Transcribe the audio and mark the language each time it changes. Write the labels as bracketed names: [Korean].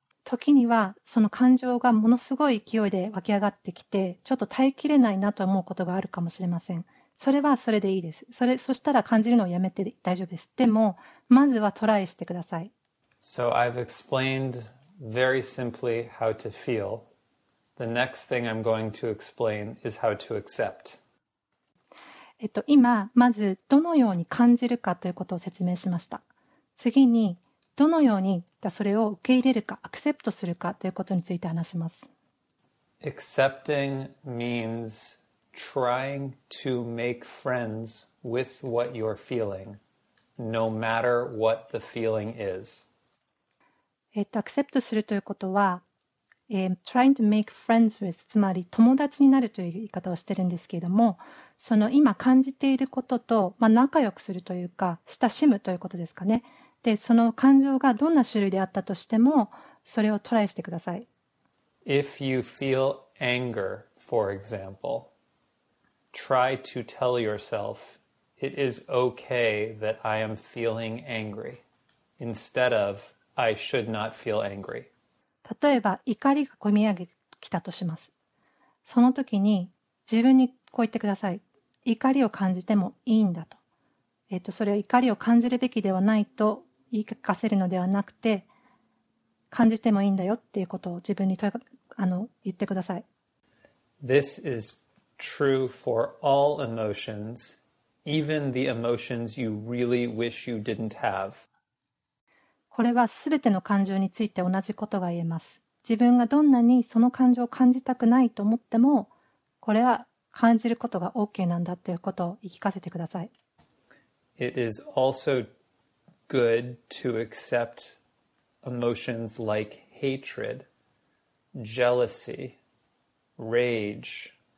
[Japanese] 時にはその感情がものすごい勢いで湧き上がってきて、ちょっと耐えきれないなと思うことがあるかもしれません。それはそれでいいです。そしたら感じるのをやめて大丈夫です。でも、まずはトライしてください。 [English] So I've explained very simply how to feel. The next thing I'm going to explain is how to accept. [Japanese] 今まずどのように感じるかということを説明しました。次にどのようにそれを受け入れるか、アクセプトするかということについて話します。 [English] Accepting means trying to make friends with what you're feeling, no matter what the feeling is. [Japanese] アクセプトするということは、 [English] trying to make friends with、 [Japanese] つまり友達になるという言い方をしているんですけれども、その今感じていることと、まあ、仲良くするというか、親しむということですかね。で、その感情がどんな種類であったとしても、それをトライしてください。 [English] If you feel anger, for example, try to tell yourself, it is okay that I am feeling angry, instead of, I should not feel angry. [Japanese] 例えば、怒りが込み上げきたとします。その時に、自分にこう言ってください。怒りを感じてもいいんだと。それを怒りを感じるべきではないと言い聞かせるのではなくて、感じてもいいんだよっていうことを自分に言ってください。 [English] This is true for all emotions, even the emotions you really wish you didn't have. [Japanese] これはすべての感情について同じことが言えます。自分がどんなにその感情を感じたくないと思っても、これは感じることが OK なんだということを言い聞かせてください。 [English] It is also good to accept emotions like hatred, jealousy, rage.